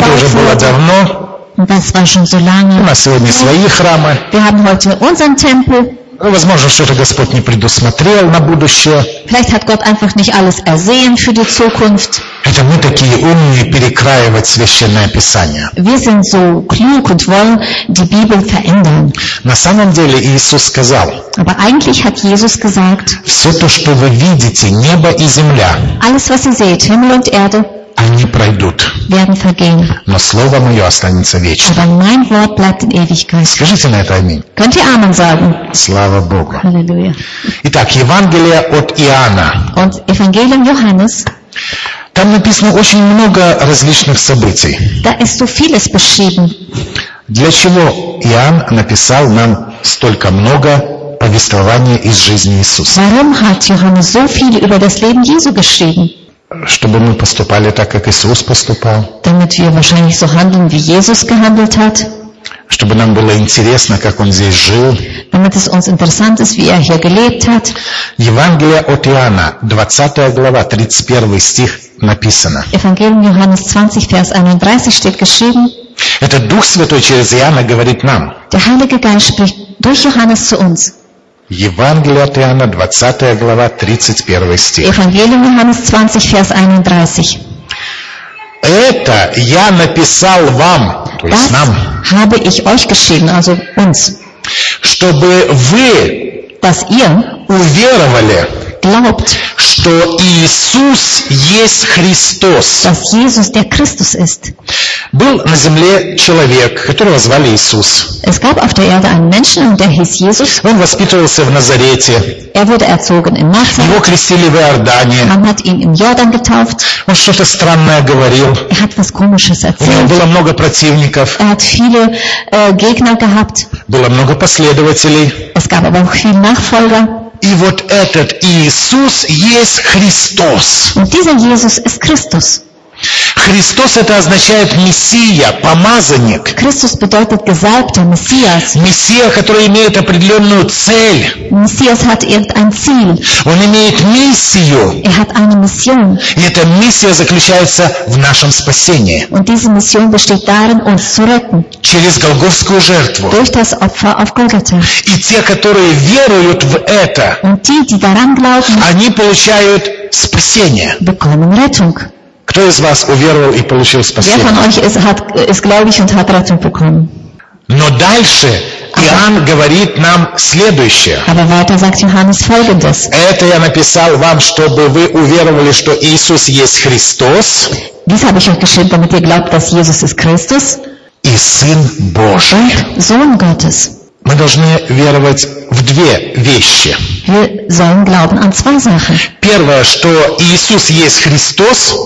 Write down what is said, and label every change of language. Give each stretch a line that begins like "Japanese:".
German: wurde.
Russian: Это уже было давно.
German: Das war schon so lange.
Russian: У нас сегодня свои храмы.
German: Wir haben heute unseren Tempel.
Russian: Возможно, что-то Господь не предусмотрел на будущее.
German: Vielleicht hat Gott einfach nicht alles ersehen für die Zukunft.
Russian: Это мы такие умные перекраивать Священное Писание.
German: Wir sind so klug und wollen die Bibel verändern.
Russian: На самом деле Иисус сказал.
German: Aber eigentlich hat Jesus gesagt.
Russian: Все то, что вы видите, небо и земля.
German: Alles, was ihr seht, Himmel und Erde.
Russian: Они пройдут.
German: Werden vergehen.
Russian: Но Слово Мое останется вечным.
German: Aber mein Wort bleibt in Ewigkeit.
Russian: Скажите на это аминь.
German: Könnt ihr Amen sagen?
Russian: Слава Богу.
German: Halleluja.
Russian: Итак, Евангелие от Иоанна.
German: Und Evangelium Johannes.
Russian: Там написано очень много различных событий.
German: Da ist so vieles beschrieben.
Russian: Для чего Иоанн написал нам столько много повествований из жизни Иисуса?
German: Warum hat Johannes so viel über das Leben Jesu geschrieben?
Russian: Чтобы мы поступали так, как Иисус поступал.
German: Damit wir wahrscheinlich so handeln, wie Jesus gehandelt hat.
Russian: Чтобы нам было интересно, как Он здесь жил.
German: Damit es uns interessant ist, wie er hier gelebt hat.
Russian: Евангелие от Иоанна, 20 глава, 31 стих написано.
German: Evangelium Johannes 20, Vers 31 steht geschrieben.
Russian: Это Дух Святой через Иоанна говорит нам.
German: Der Heilige Geist spricht durch Johannes zu uns.
Russian: Евангелие от Иоанна, 20 глава, 31 стих.
German: Evangelium Johannes 20, Vers 31.
Russian: Это я написал вам, то есть нам,
German: habe ich euch geschrieben, also uns,
Russian: чтобы вы,
German: dass ihr
Russian: уверовали,
German: glaubt,
Russian: что Иисус есть Христос.
German: Dass Jesus der Christus ist.
Russian: Был на земле человек, которого звали Иисус.
German: Es gab auf der Erde einen Menschen, der hieß Jesus.
Russian: Он воспитывался в Назарете.
German: Er wurde erzogen in Nazareth.
Russian: Его крестили в Иордане.
German: Man hat ihn im Jordan getauft.
Russian: Он что-то странное говорил.
German: Er hat was Komisches erzählt.
Russian: У него было много противников.
German: Er hat viele Gegner gehabt.
Russian: Было много последователей.
German: Es gab aber auch viele Nachfolger.
Russian: И вот этот Иисус есть Христос.
German: Und dieser Jesus ist Christus.
Russian: Христос это означает Мессия, помазанник.
German: Christus bedeutet Gesalbter, Messias.
Russian: Мессия, который имеет определенную цель.
German: Messias hat irgendein Ziel.
Russian: Он имеет миссию.
German: Er hat eine Mission.
Russian: И эта миссия заключается в нашем спасении.
German: Und diese Mission besteht darin, uns zu retten.
Russian: Через Голгофскую жертву.
German: Durch das Opfer auf Golgatha.
Russian: И те, которые веруют в это,
German: Und die, die daran glauben,
Russian: они получают спасение.
German: Bekommen Rettung.
Russian: Кто из вас уверовал и получил спасение?
German: Wer von euch ist gläubig und hat Rettung bekommen?
Russian: Но дальше Иоанн говорит нам следующее.
German: Aber weiter sagt Johannes folgendes.
Russian: Это я написал вам, чтобы вы уверовали, что Иисус есть Христос.
German: Dies habe ich euch geschrieben, damit ihr glaubt, dass Jesus ist Christus.
Russian: И Сын Божий.
German: Sohn Gottes.
Russian: Мы должны веровать в две вещи.
German: Wir sollen glauben an zwei Sachen.
Russian: Первое, что Иисус есть Христос.